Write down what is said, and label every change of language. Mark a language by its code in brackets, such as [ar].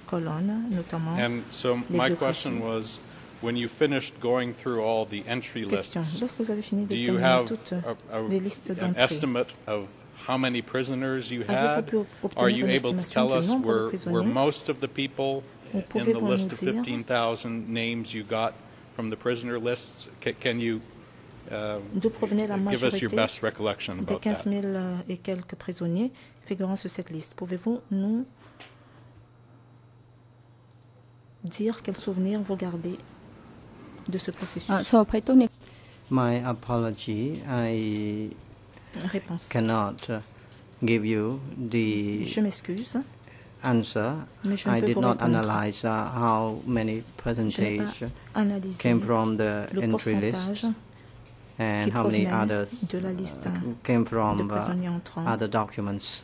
[en] And so my question was, when you finished going through all the entry lists, do you have an estimate of how many prisoners you had? Are you able to tell us were most of the people in the list of 15,000 names you got from the prisoner lists? Can you give us your best recollection about that? [fr] 15,000 et quelques prisonniers figurant sur cette liste. Pouvez-vous nous dire quels souvenirs vous gardez? [en] My apology, I cannot give you the answer. I did not analyze how many percentage came from the entry list and how many others came from other documents.